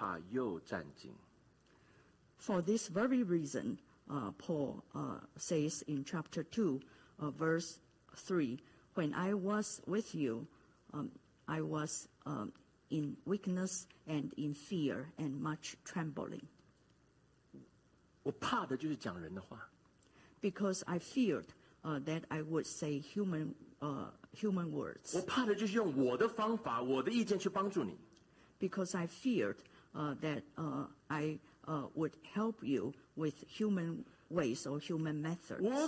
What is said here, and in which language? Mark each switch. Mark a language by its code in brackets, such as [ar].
[zh] 这是为什么保罗最后二章三节到五节他这样说，所以啊，以他这样子的一个人，他说我在你们那里，我是又软弱又惧怕又战惊。 [en] For this very reason, Paul says in chapter 2, verse 3, when I was with you, I was in weakness and in fear and much trembling. [zh] 我怕的就是讲人的话。 [en] Because I feared that I would say human human words. [zh] 我怕的就是用我的方法，我的意见去帮助你。 [en] Because I feared that I would help you with human ways or human methods.